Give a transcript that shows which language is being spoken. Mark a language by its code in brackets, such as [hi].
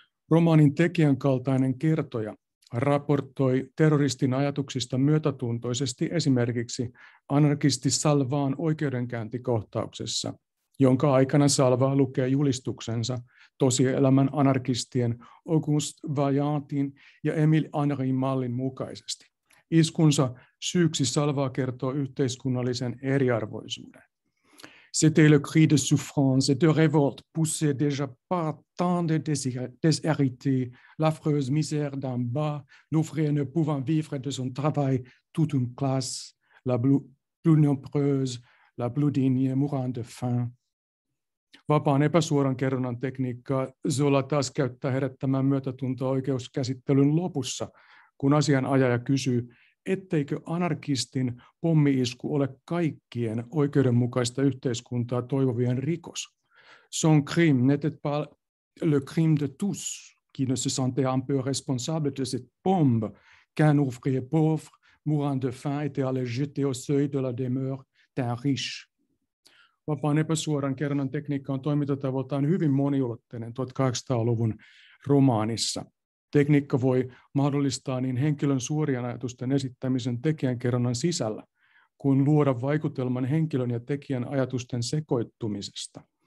[fi] Romaanin tekijän kaltainen kertoja raportoi terroristin ajatuksista myötätuntoisesti esimerkiksi anarkisti Salvaan oikeudenkäyntikohtauksessa, jonka aikana Salvaa lukee julistuksensa tosielämän anarkistien Auguste Vaillantin ja Émile Henryn mallin mukaisesti. Iskunsa syyksi Salvaa kertoo yhteiskunnallisen eriarvoisuuden. [fr] C'était le cri de souffrance et de révolte poussé déjà par tant de déshérités, l'affreuse misère d'en bas, l'ouvrier ne pouvant vivre de son travail, toute une classe, la plus nombreuse, la plus digne mourant de faim. [fi] Vapaan epäsuoran kerronnan tekniikkaa Zola taas käyttää herättämään myötätuntoa oikeuskäsittelyn lopussa, kun asianajaja kysyy, etteikö anarkistin pommi-isku ole kaikkien oikeudenmukaista yhteiskuntaa toivovien rikos. [fr] Son crime n'était pas le crime de tous, qui ne se sentait un peu responsable de cette bombe, qu'un ouvrier pauvre, mourant de faim, était allé jeter au seuil de la demeure d'un riche. [fi] Vapaan epäsuoran kerronnan tekniikka on toimintatavoiltaan hyvin moniulotteinen 1800-luvun romaanissa. Tekniikka voi mahdollistaa niin henkilön suorien ajatusten esittämisen tekijän kerronnan sisällä, kuin luoda vaikutelman henkilön ja tekijän ajatusten sekoittumisesta.